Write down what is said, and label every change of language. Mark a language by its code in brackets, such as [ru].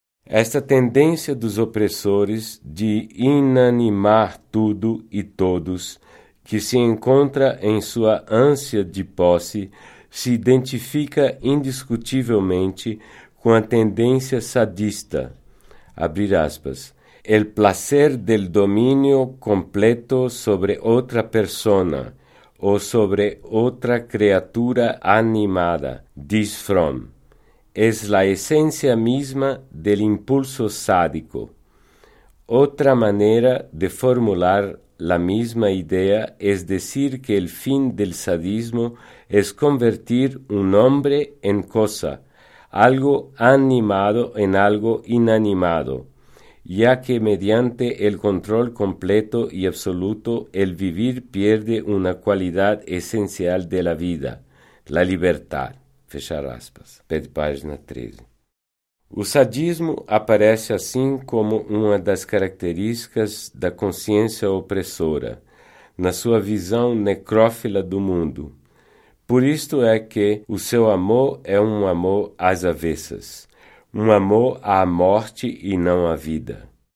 [pt] Esta tendência dos opressores de inanimar tudo e todos, que se encontra em sua ânsia de posse, se identifica indiscutivelmente com a tendência sadista, abrir aspas, [es] el placer del dominio completo sobre otra persona [pt] ou sobre outra criatura animada, diz Fromm. [es] Es la esencia misma del impulso sádico. [pt] Outra maneira de formular [es] la misma idea es decir que el fin del sadismo es convertir un hombre en cosa, algo animado en algo inanimado, ya que mediante el control completo y absoluto el vivir pierde una cualidad esencial de la vida, la libertad. [pt] Fechar aspas. Pé de página 13. O sadismo aparece assim como uma das características da consciência opressora, na sua visão necrófila do mundo. Por isto é que o seu amor é um amor às avessas, um amor à morte e não à vida.